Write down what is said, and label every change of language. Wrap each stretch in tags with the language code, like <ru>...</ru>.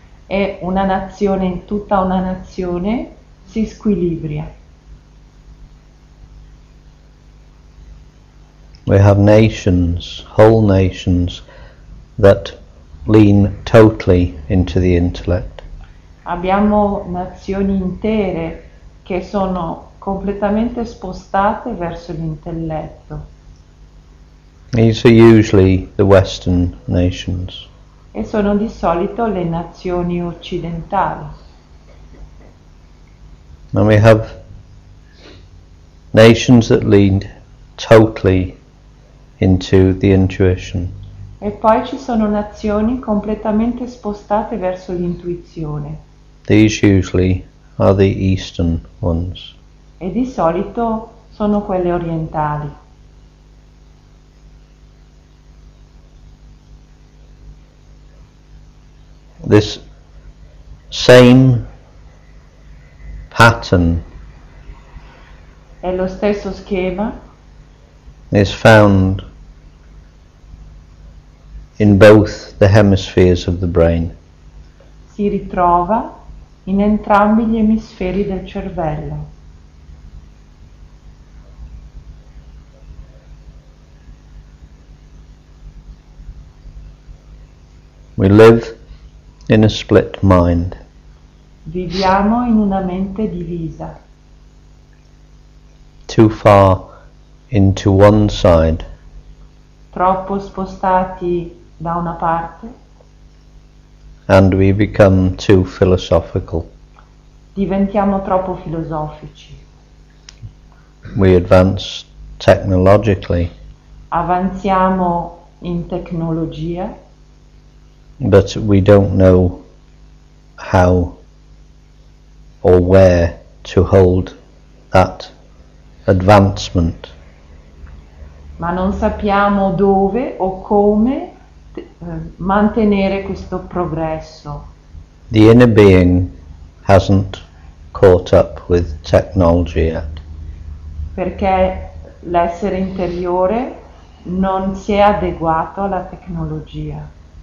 <it>E una nazione, tutta una nazione, si squilibria.</it> <en>We have nations, whole nations, that lean totally into the intellect.</en> <it>Abbiamo nazioni intere che sono completamente spostate verso l'intelletto.</it> <en>These are usually the Western nations.</en> <it>E sono di solito le nazioni occidentali.</it> <en>And we have nations that lean totally into the intuition.</en> <it>E poi ci sono nazioni completamente spostate verso l'intuizione.</it> <en>These usually are the Eastern ones.</en> <it>E di solito sono quelle orientali.</it> <en>This same pattern</en> <it>è lo stesso schema</it> <en>is found in both the hemispheres of the brain.</en> <it>Si ritrova in entrambi gli emisferi del cervello.</it> <en>We live in a split mind.</en> <it>Viviamo in una mente divisa.</it> <en>Too far into one side.</en> <it>Troppo spostati da una parte.</it> <en>And we become too philosophical.</en> <it>Diventiamo troppo filosofici.</it> <en>We advance technologically.</en> <it>Avanziamo in tecnologia.</it> <en>But we don't know how or where to hold that advancement.</en> <it>Ma non sappiamo dove o come mantenere questo progresso.</it> <en>The inner being hasn't caught up with technology yet.</en> <it>Perché l'essere interiore non si è adeguato alla tecnologia.</it>